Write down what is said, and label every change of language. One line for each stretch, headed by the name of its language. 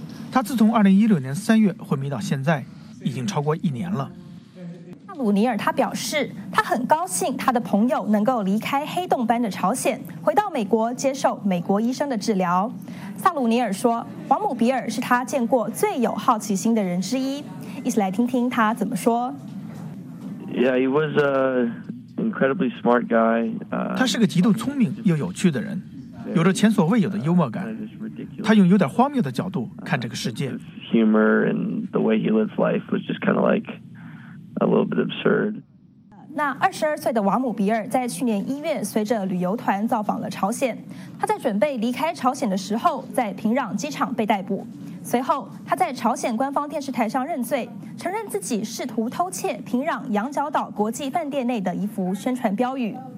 Chinese: 他自从2016年3月昏迷到现在，已经超过1年了。萨鲁尼尔他表示，他很高兴他的朋友能够离开黑洞般的朝鲜，回到美国接受美国医生的治疗。萨鲁尼尔说，瓦姆比尔是他见过最有好奇心的人之一。一起来听听他怎么说。
English: Yeah, he was an incredibly smart guy.
Chinese: 他是个极度聪明又有趣的人，有着前所未有的幽默感。他用有点荒谬的角度看这个世界。
English: Humor and the way he lives life was just kind of like a little bit absurd.
Chinese: 那22岁的瓦姆比尔在去年1月随着旅游团造访了朝鲜。他在准备离开朝鲜的时候，在平壤机场被逮捕。随后他在朝鲜官方电视台上认罪，承认自己试图偷窃平壤羊角岛国际饭店内的一幅宣传标语。